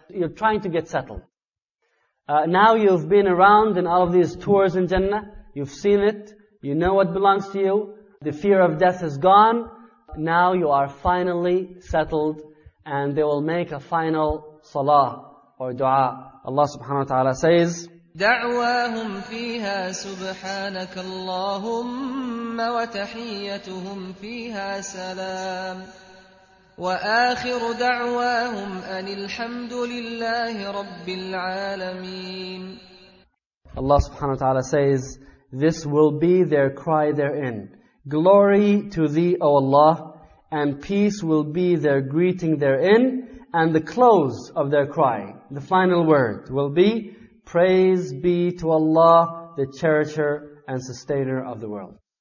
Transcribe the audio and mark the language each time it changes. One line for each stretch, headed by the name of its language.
English: You're trying to get settled. Now you've been around in all of these tours in Jannah, you've seen it, you know what belongs to you, the fear of death is gone, now you are finally settled and they will make a final salah or dua. Allah subhanahu wa ta'ala says,
Arabic: دعواهم فيها سبحانك اللهم وتحيتهم فيها سلام وآخر دعواهم أن الحمد لله رب العالمين.
English: Allah subhanahu wa ta'ala says, this will be their cry therein. Glory to thee, O Allah, and peace will be their greeting therein, and the close of their cry, the final word will be, praise be to Allah, the cherisher and sustainer of the world.